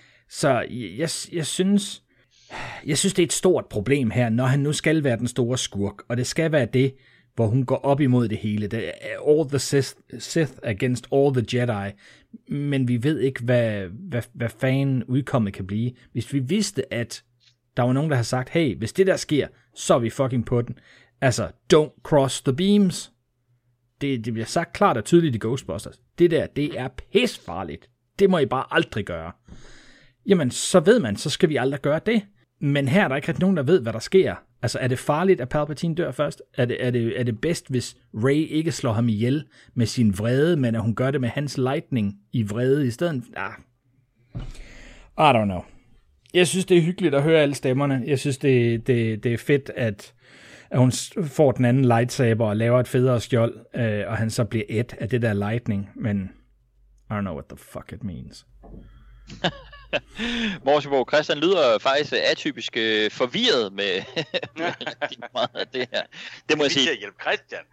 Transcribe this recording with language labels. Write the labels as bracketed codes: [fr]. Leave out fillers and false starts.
[da] Så jeg synes, det er et stort problem her, når han nu skal være den store skurk, og det skal være det, hvor hun går op imod det hele. Det er [en] all the Sith against all the Jedi. [da] Men vi ved ikke, hvad fanden udkommet kan blive. Hvis vi vidste, at der var nogen, der har sagt, hey, hvis det der sker, så er vi fucking på den. Altså, [en] don't cross the beams. [da] Det bliver sagt klart og tydeligt i Ghostbusters. Det der, det er pisfarligt. Det må I bare aldrig gøre. Jamen, så ved man, så skal vi aldrig gøre det. Men her er der ikke rigtig nogen, der ved, hvad der sker. Altså, er det farligt, at Palpatine dør først? Er det bedst, hvis Rey ikke slår ham ihjel med sin vrede, men at hun gør det med hans lightning i vrede i stedet? [en] I don't know. [da] Jeg synes, det er hyggeligt at høre alle stemmerne. Jeg synes, det er fedt, at hun får den anden lightsaber og laver et federe skjold, og han så bliver et af det der lightning. Men [en] I don't know what the fuck it means. [da] Morsenbo, Christian lyder faktisk atypisk forvirret med meget af det her. Det må jeg sige. Vi skal hjælpe Christian.